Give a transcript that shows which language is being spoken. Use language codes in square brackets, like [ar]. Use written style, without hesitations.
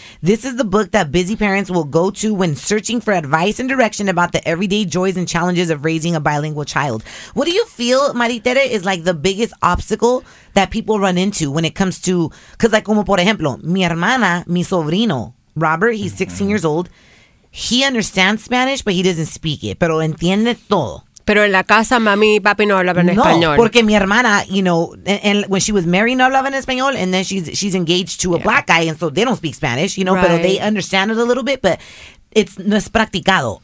[en] This is the book that busy parents will go to when searching for advice and direction about the everyday joys and challenges of raising a bilingual child. What do you feel, Maritere, is like the biggest obstacle that people run into when it comes to, because like, [es] como por ejemplo, mi hermana, mi sobrino, [en] Robert, he's 16 years old. He understands Spanish, but he doesn't speak it. [es] Pero entiende todo. Pero en la casa, mami y papi no hablaban español. No, porque mi hermana, [en] you know, and when she was married, [es] no hablaban español, [en] and then she's engaged to a black guy, and so they don't speak Spanish, you know, but they understand it a little bit, but it's [es] no es practicado.